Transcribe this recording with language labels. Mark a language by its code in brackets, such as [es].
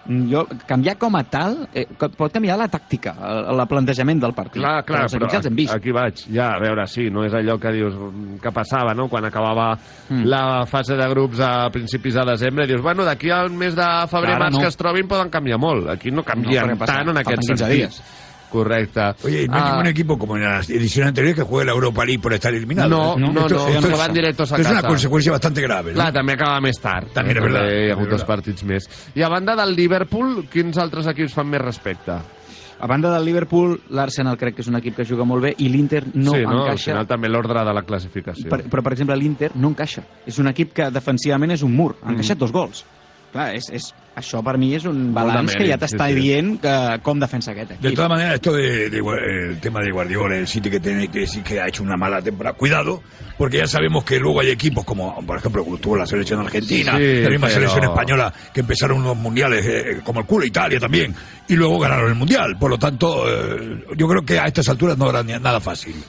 [ca] Jo, canviar com a tal, pot canviar la tàctica, el plantejament del partit. Clar, però ja els hem vist. Aquí vaig. Ja, a veure, sí, no és allò que dius que passava, no?, quan acabava la fase de grups a principis de desembre, dius, bueno, d'aquí al mes de febrer, març, que es trobin, poden canviar molt. Aquí no canvien tant en aquests sentits. Correcte. [es] Oye, ¿no hay ningún equipo como en la edición anterior que juegue la Europa League por estar eliminado? No, se van directos a casa. Es una conseqüència bastante grave, ¿no? [ca] Clar, també acaba més tard. També és veritat. Hi ha hagut dos partits més. I a banda del Liverpool, quins altres equips fan més respecte? A banda del Liverpool, l'Arsenal crec que és un equip que juga molt bé i l'Inter encaixa. Sí, al final també l'ordre de la classificació. Per exemple, l'Inter no encaixa. És un equip que defensivament és un mur. Ha encaixat dos gols. Clar, és això per mi és un balanç que ja t'està dient que com defensa aquest equip. De tota manera, [es] esto del tema de Guardiola, el City que tiene que decir que ha hecho una mala temporada. Cuidado, porque ya sabemos que luego hay equipos como, por ejemplo, que tuvo la selección argentina, sí, la misma selección española, que empezaron unos mundiales como el culo, Italia también, y luego ganaron el Mundial. Por lo tanto, yo creo que a estas alturas no era nada fácil.